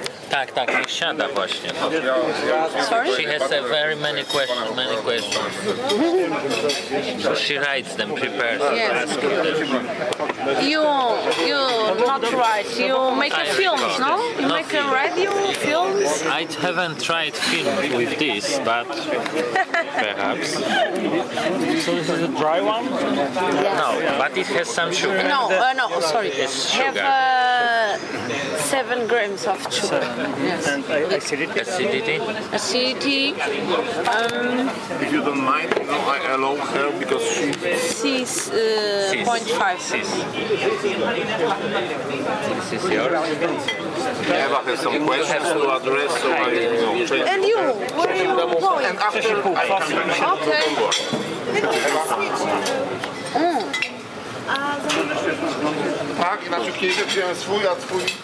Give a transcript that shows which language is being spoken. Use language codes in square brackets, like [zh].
[pl] Tak, niech siada właśnie. [en] Sorry? She has a very many questions. So she writes them, prepares them. Yes. You not write, you make a film, no? You not make a radio film? I haven't tried film with this, but perhaps. So this is a dry one? Yes. No, but it has some sugar. No, sorry. It's sugar. Have 7 grams of sugar. Seven. Yes. And acidity? Acidity. If you don't mind, you know, I allow her because she... Cis, 0.5. Cis. This is yours. Eva has some questions to address, so I will know. And you, where are you going? And after, I come back to the board. [pl] Tak, znaczy kiedyś wziąłem swój, a twój...